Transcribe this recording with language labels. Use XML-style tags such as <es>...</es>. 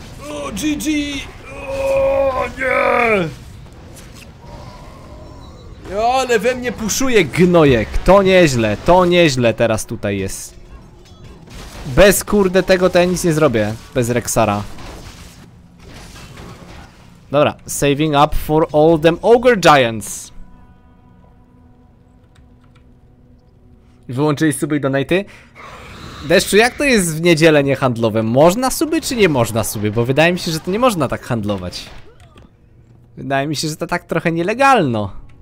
<pl>O, GG! O, nie! Ale we mnie puszuje gnojek. To nieźle teraz tutaj jest. Bez kurde tego to ja nic nie zrobię. Bez Rexara.</pl> <en>Dobra, saving up for all them ogre giants.</en> <pl>Wyłączyli suby i donaty. Deszczu, jak to jest w niedzielę niehandlowe? Można suby czy nie można suby? Bo wydaje mi się, że to nie można tak handlować. Wydaje mi się, że to tak trochę nielegalno.</pl>